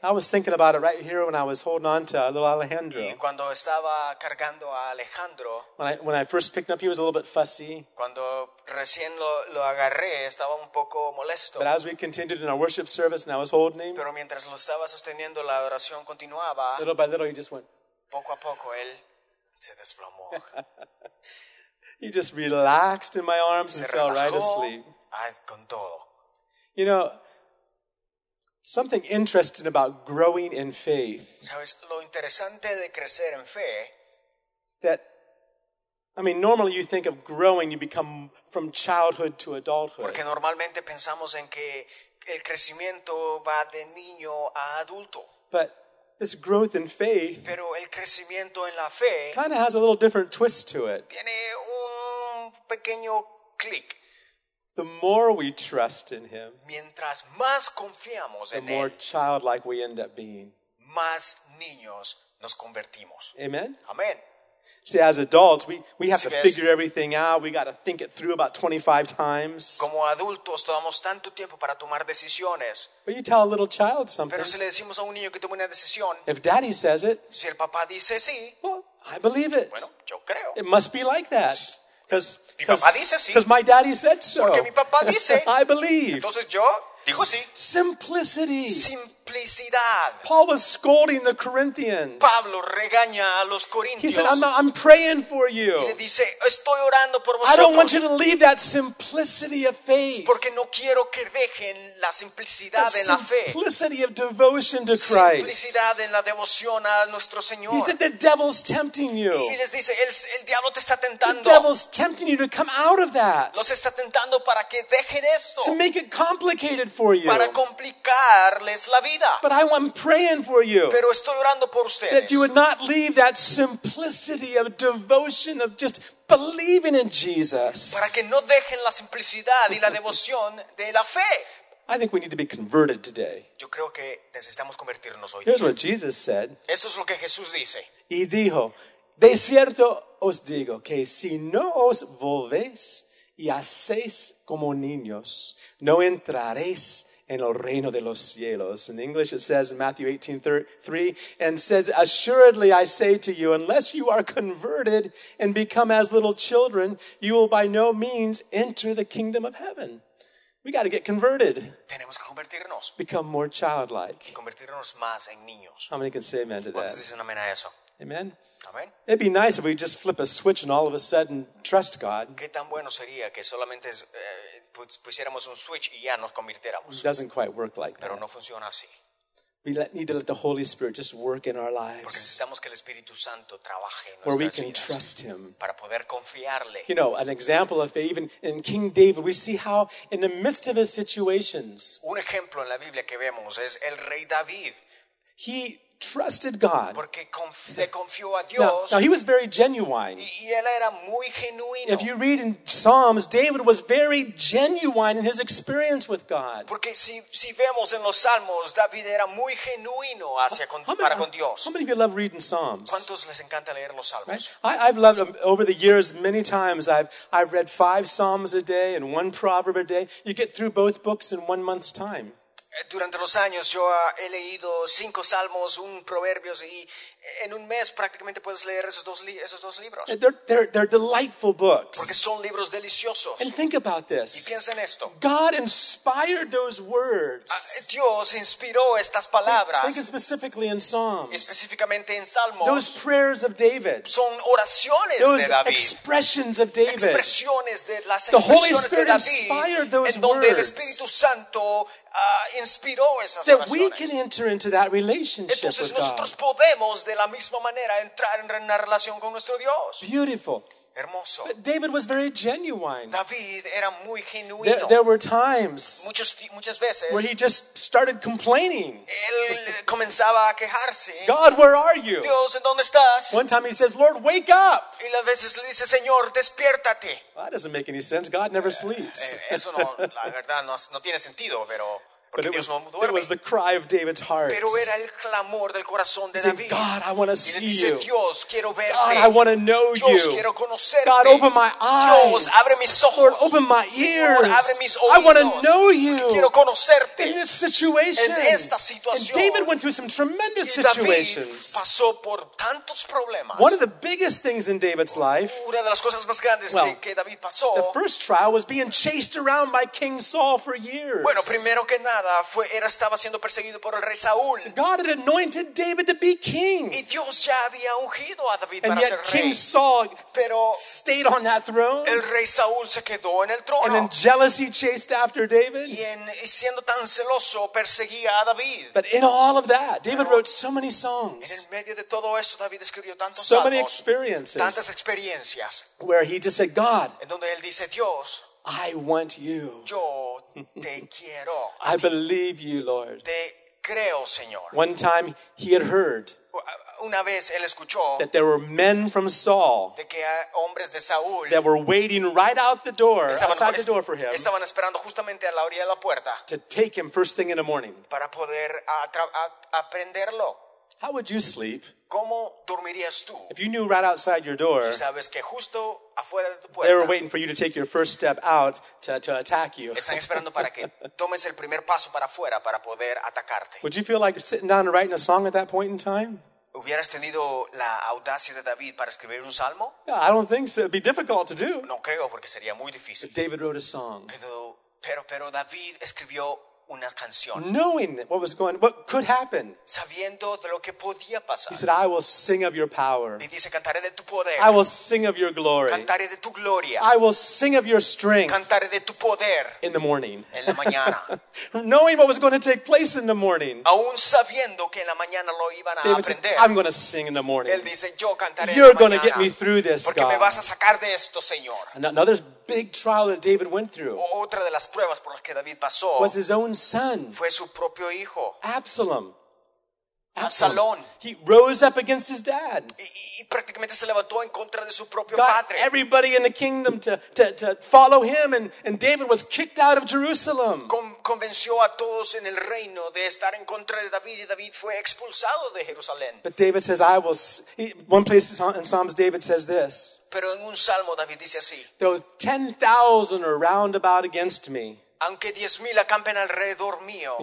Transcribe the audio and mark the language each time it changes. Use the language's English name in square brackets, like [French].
[English] I was thinking about it right here when I was holding on to little Alejandro. [Spanish] Y cuando estaba cargando a Alejandro. [English] When I first picked him up, he was a little bit fussy. [Spanish] Cuando recién lo agarré, estaba un poco molesto. [English] But as we continued in our worship service and I was holding him. [Spanish] Pero mientras lo estaba sosteniendo, la adoración continuaba. [English] Little by little, he just went. [Spanish] Poco a poco, él se desplomó. [English] He just relaxed in my arms [Spanish] se [English] and fell right asleep. [Spanish] Con todo. [English] You know, something interesting about growing in faith. [Spanish] ¿Sabes? Lo interesante de crecer en fe, [English] that, I mean, normally you think of growing, you become from childhood to adulthood. [Spanish] Porque normalmente pensamos en que el crecimiento va de niño a adulto. [English] But this growth in faith, [Spanish] pero el crecimiento en la fe, [English] kind of has a little different twist to it. [Spanish] Tiene un pequeño click. [English] The more we trust in him, [Spanish] mientras más confiamos en él, [English] the more childlike we end up being. [Spanish] Más niños nos convertimos. [English] Amen. [Spanish] Amen. [English] See, as adults, we have to figure everything out. We got to think it through about 25 times. [Spanish] Como adultos, tomamos tanto tiempo para tomar decisiones. [English] But you tell a little child something. [Spanish] Pero si le decimos a un niño que tome una decisión, [English] if daddy says it, [Spanish] si el papá dice sí, [English] well, I believe it. [Spanish] Bueno, yo creo. [English] It must be like that. Because my daddy said so. [Spanish] Porque mi papá dice, [English] I believe. [Spanish] Entonces yo digo sí. [English] Simplicity. [Spanish] Simplicidad. [English] Paul was scolding the Corinthians. [Spanish] Pablo regaña a los corintios. [English] He said, I'm praying for you. [Spanish] Y le dice, estoy orando por vosotros. [English] I don't want you to leave that simplicity of faith. [Spanish] Porque no quiero que dejen la simplicidad [English] that [Spanish] en la fe. [English] Simplicity of devotion to Christ. [Spanish] Simplicidad en la devoción a nuestro Señor. [English] He said, the devil's tempting you. [Spanish] Y les dice, el diablo te está tentando. [English] The devil's tempting you to come out of that. [Spanish] Los está tentando para que dejen esto. [English] To make it complicated for you. [Spanish] Para complicarles la vida. vida. [English] But I'm praying for you. [Spanish] Pero estoy orando por ustedes. [English] That you would not leave that simplicity of devotion of just believing in Jesus. [Spanish] Para que no dejen la simplicidad y la devoción de la fe. [English] I think we need to be converted today. [Spanish] Yo creo que necesitamos convertirnos hoy. [English] Here's what Jesus said. [Spanish] Esto es lo que Jesús dice. Y dijo, de cierto os digo que si no os volvéis y hacéis como niños, no entraréis en el reino de los cielos. [English] In English it says in Matthew 18:3, and says, assuredly I say to you, unless you are converted and become as little children, you will by no means enter the kingdom of heaven. We got to get converted. [Spanish] Tenemos que convertirnos. [English] Become more childlike. [Spanish] Convertirnos más en niños. [English] How many can say amen to that? [Spanish] ¿Cuántos dicen amén a eso? [English] Amen. [Spanish] Amen. [English] It'd be nice if we just flip a switch and all of a sudden trust God. [Spanish] ¿Qué tan bueno sería que solamente pusiéramos un switch y ya nos convirtiéramos? [English] It doesn't quite work like [Spanish] pero [English] that. [Spanish] Pero no funciona así. [English] We need to let the Holy Spirit just work in our lives. [Spanish] Porque necesitamos que el Espíritu Santo trabaje en nuestras [English] vidas. Where we can [Spanish] vidas [English] trust Him. [Spanish] Para poder confiarle. [English] You know, an example of faith, even in King David, we see how in the midst of his situations, [Spanish] un ejemplo en la Biblia que vemos es el rey David. [English] He trusted God. [Spanish] Porque le confió a Dios. [English] Now he was very genuine. [Spanish] Y él era muy genuino. [English] If you read in Psalms, David was very genuine in his experience with God. [Spanish] Porque si vemos en los Salmos, David era muy genuino hacia para con Dios. [English] How many of you love reading Psalms? [Spanish] ¿Cuántos les encanta leer los Salmos? [English] Right? I've loved over the years many times. I've read 5 Psalms a day and 1 proverb a day. You get through both books in 1 month's time. [Spanish] Durante los años yo he leído 5 salmos, 1 proverbios y en un mes prácticamente puedes leer esos dos libros. [English] They're delightful books. [Spanish] Porque son libros deliciosos. [English] And think about this. [Spanish] Y piensa en esto. [English] God inspired those words. [Spanish] Dios inspiró estas palabras. [English] Think specifically in Psalms. [Spanish] Específicamente en Salmos. [English] Those prayers of David. [Spanish] Son oraciones [English] those [Spanish] de David. [English] Expressions of David. [Spanish] Expresiones de las [English] the [Spanish] expresiones [English] Holy Spirit [Spanish] de David. [English] Inspired those [Spanish] en donde [English] words. [Spanish] El Espíritu Santo inspiró esas [English] that [Spanish] oraciones. [English] We can enter into that relationship [Spanish] entonces [English] with [Spanish] nosotros [English] God. [Spanish] Podemos de la misma manera entrar en una relación con nuestro Dios. [English] Beautiful. [Spanish] Hermoso. [English] But David was very genuine. [Spanish] David era muy genuino. [English] There were times [Spanish] muchas veces [English] where he just started complaining. [Spanish] Él comenzaba a quejarse. [English] God, where are you? [Spanish] Dios, ¿en dónde estás? [English] One time he says, Lord, wake up. [Spanish] Y a veces le dice, Señor, despiértate. [English] Well, that doesn't make any sense. God never sleeps. [Spanish] Eso no, la verdad, no tiene sentido, pero [English] but it was the cry of David's heart. [Spanish] Pero era el clamor del corazón de [English] he [Spanish] David. [English] Said, God, I want to see you. [Spanish] Dios, quiero verte. [English] God, I want to know [Spanish] Dios, [English] you. [Spanish] Quiero conocerte. [English] God, open my eyes. [Spanish] Dios, abre mis ojos. [English] Lord, open my ears. [Spanish] Señor, abre mis oídos. [English] I want to know you. [Spanish] Quiero conocerte. [English] In this situation. [Spanish] En esta situación. [English] And David went through some tremendous situations. [Spanish] David pasó por tantos problemas. [English] One of the biggest things in David's life. [Spanish] Una de las cosas más grandes que David pasó. [English] The first trial was being chased around by King Saul for years. [Spanish] Bueno, primero que nada. Estaba siendo perseguido por el rey Saúl. [English] God had anointed David to be king. [Spanish] Y Dios ya había ungido a David [English] and [Spanish] para [English] yet [Spanish] ser rey. [English] King Saul [Spanish] pero [English] stayed on that throne. [Spanish] El rey Saúl se quedó en el trono. [English] And then jealousy chased after David. [Spanish] Y siendo tan celoso perseguía a David. [English] But in all of that, David wrote so many songs. [Spanish] En medio de todo eso, David escribió tantos [English] so [Spanish] salmos, [English] many experiences. [Spanish] Tantas experiencias. [English] Where he just said, God. [Spanish] En donde él dice, Dios. [English] I want you. [Spanish] Yo te quiero. [English] I believe you, Lord. [Spanish] Te creo, Señor. [English] One time he had heard [Spanish] una vez él escuchó [English] that there were men from Saul [Spanish] de que hombres de Saúl [English] that were waiting right out the door, [Spanish] estaban, [English] outside the door for him, [Spanish] estaban esperando justamente a la orilla de la puerta [English] to take him first thing in the morning. [Spanish] Para poder aprenderlo. [English] How would you sleep? [Spanish] ¿Cómo dormirías tú? [English] If you knew right outside your door, [Spanish] si sabes que justo afuera de tu puerta, [English] they were waiting for you to take your first step out to attack you. [Spanish] Están esperando para que tomes el primer paso para afuera para poder atacarte. [English] Would you feel like sitting down and writing a song at that point in time? [Spanish] ¿Hubieras tenido la audacia de David para escribir un salmo? [English] Yeah, I don't think so. It'd be difficult to do. [Spanish] No creo porque sería muy difícil. [English] But David wrote a song. [Spanish] Pero David escribió una canción. [English] Knowing what was going, what could happen. [Spanish] Sabiendo de lo que podía pasar. [English] He said, I will sing of your power. [Spanish] Y dice, cantaré de tu poder. [English] I will sing of your glory. [Spanish] Cantaré de tu gloria. [English] I will sing of your strength. [Spanish] Cantaré de tu poder. [English] In the morning. [Spanish] En la mañana. [English] Knowing what was going to take place in the morning. [Spanish] Aún sabiendo que en la mañana lo iban a [English] David [Spanish] aprender. [English] Says, I'm going to sing in the morning. [Spanish] Él dice, yo cantaré [English] you're [Spanish] en la mañana. [English] You're going to get me through this, [Spanish] porque [English] God. [Spanish] Me vas a sacar de esto, Señor. [English] Another big trial that David went through. [Spanish] Otra de las pruebas por las que David pasó [English] was his own son. [Spanish] Fue su propio hijo. [English] Absalom. [Spanish] Absalom. [English] He rose up against his dad. [Spanish] Y prácticamente se levantó en contra de su propio [English] got [Spanish] padre. [English] Everybody in the kingdom to follow him, and David was kicked out of Jerusalem. [Spanish] Convenció a todos en el reino de estar en contra de David, y David fue expulsado de Jerusalén. [English] But David says, "I will." One place in Psalms, David says this. [Spanish] Pero en un salmo David dice así. [English] Though 10,000 are round about against me, [Spanish] aunque 10,000 acampen alrededor mío,